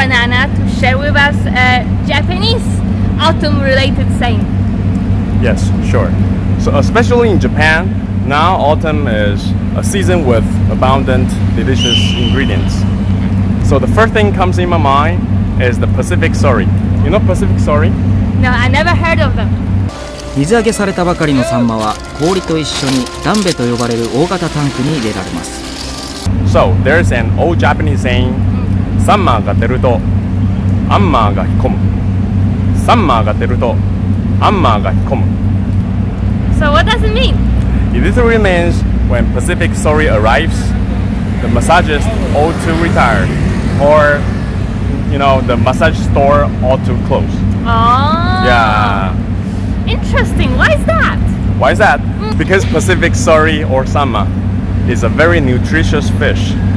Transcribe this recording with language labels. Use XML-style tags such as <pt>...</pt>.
<en>Banana to share with us a Japanese autumn-related saying. Yes, sure. So especially in Japan, now autumn is a season with abundant, delicious ingredients. So the first thing comes in my mind is the Pacific sori. You know Pacific sori? No, I never heard of them.</en> <ja>水揚げされたばかりのサンマは氷と一緒にダンベと呼ばれる大型タンクに入れられます。</ja> <en>So there's an old Japanese saying.</en> <ja>サンマーが出るとアンマーが引っ込む。サンマーが出るとアンマーが引っ込む。</ja> <en>So what does it mean? It literally means when Pacific sori arrives, the massages ought to retire, or you know, the massage store ought to close. Oh. Yeah. Interesting. Why is that? Why is that? Because Pacific sori or サンマ is a very nutritious fish.</en>